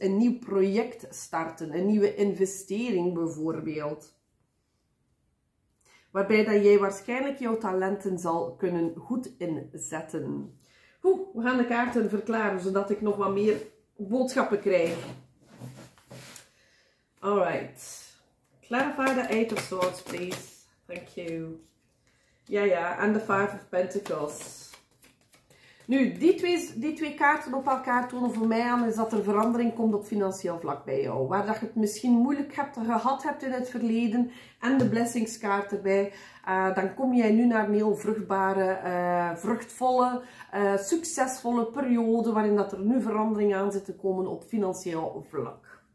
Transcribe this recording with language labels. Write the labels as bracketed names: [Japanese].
[Dutch] Een nieuw project starten. Een nieuwe investering bijvoorbeeld. Waarbij dat jij waarschijnlijk jouw talenten zal kunnen goed inzetten. Goed, we gaan de kaarten verklaren. Zodat ik nog wat meer boodschappen krijgen. [English] Alright. Clarify the Eight of Swords, please. Thank you. [Dutch] Ja, ja. En de Five of Pentacles. Nu, die twee kaarten op elkaar tonen voor mij aan, is dat er verandering komt op financieel vlak bij jou. Waar dat je het misschien moeilijk gehad hebt in het verleden, en de blessingskaart erbij, dan kom jij nu naar een heel vruchtbare, vruchtvolle, succesvolle periode, waarin dat er nu verandering aan zit te komen op financieel vlak.